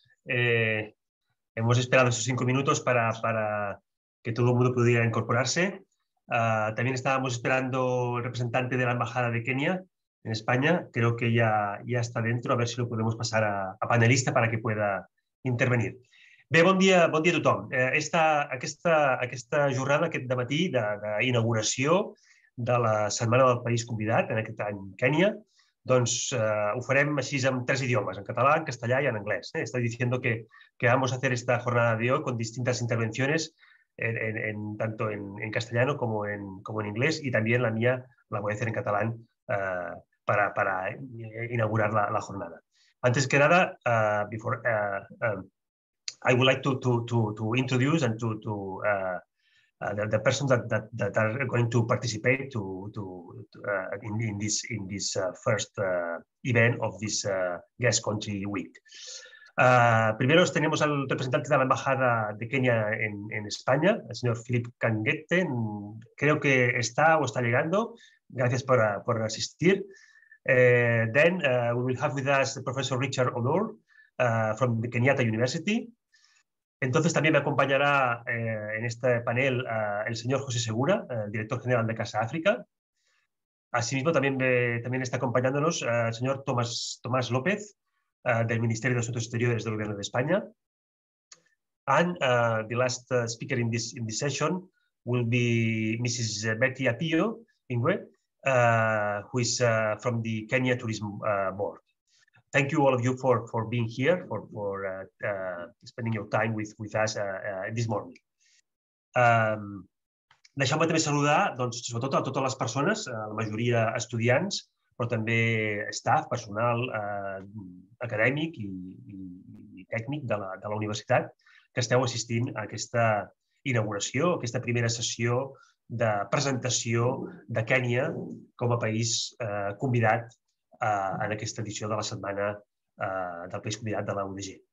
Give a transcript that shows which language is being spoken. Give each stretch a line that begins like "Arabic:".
Spanish: Hemos esperado esos 5 minutos para que todo el mundo pudiera incorporarse. También estábamos esperando el representante de la Embajada de Kenia en España. Creo que ya está dentro. A ver si lo podemos pasar a panelista para que pueda intervenir.
Catalan: Bé, bon dia a tothom. Aquesta jornada, aquest dematí d'inauguració de la Setmana del País Convidat, en aquest any Kènia, doncs ho farem així en tres idiomes, en català, en castellà i en anglès. Estic dient que
Spanish: vamos a hacer esta jornada de hoy con distintas intervenciones, tanto en castellano como en inglés, y también la mía la voy a hacer en catalán para inaugurar la jornada. Antes que nada,
English: I would like to introduce and to the persons that are going to participate in this first event of this guest country week.
Spanish: Primero tenemos al representante de la Embajada de Kenia en España, el señor Philip Kangete. Creo que está o está llegando. Gracias por asistir.
English: Then we will have with us Professor Richard Odor from the Kenyatta University.
Spanish: Entonces también me acompañará en este panel el señor José Segura, el director general de Casa África. Asimismo también está acompañándonos el señor Tomás López del Ministerio de Asuntos Exteriores del Gobierno de España.
English: And the last speaker in this session will be Mrs. Betty Apio Ingwe, who is from the Kenya Tourism Board. Thank you all of you for being here, for spending your time with us this morning.
Catalan: Deixeu-me també saludar, doncs, sobretot a totes les persones, la majoria estudiants, però també staff, personal acadèmic i tècnic de la universitat, que esteu assistint a aquesta inauguració, a aquesta primera sessió de presentació de Kènia com a país convidat en aquesta edició de la Setmana del País Convidat de la UDG.